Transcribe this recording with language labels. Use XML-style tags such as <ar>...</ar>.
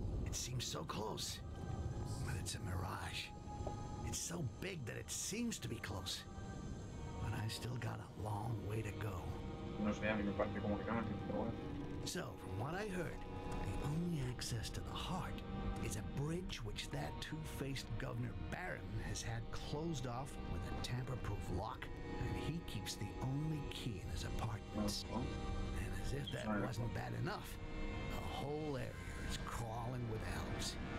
<en>It seems so close, but it's a mirage. It's so big that it seems to be close, but I still got a long way to go.</en> <es>No sé, a mí me parece como que gana, pero bueno.</es> <en>So, from what I heard, the only access to the heart is a bridge which that two-faced Governor Barron has had closed off with a tamper-proof lock, and he keeps the only key in his apartments. And as if that wasn't bad enough, the whole area is crawling with elves.</en>